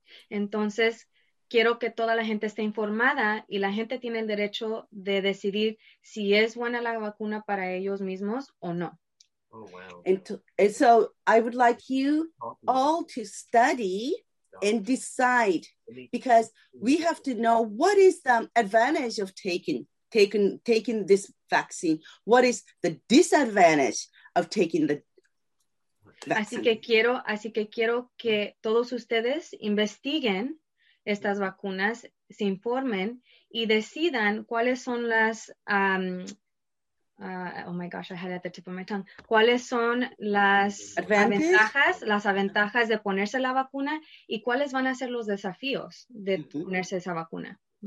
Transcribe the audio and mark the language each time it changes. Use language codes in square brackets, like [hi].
[es] Entonces, quiero que toda la gente esté informada y la gente tiene el derecho de decidir si es buena la vacuna para ellos mismos o no. [en] Oh, wow. And so I would like you all to study and decide, because we have to know what is the advantage of taking this vaccine. What is the disadvantage of taking the vaccine? [es] Así que quiero que todos ustedes investiguen estas vacunas, se informen y decidan cuáles son las, cuáles son las ventajas, de ponerse la vacuna y cuáles van a ser los desafíos de ponerse esa vacuna.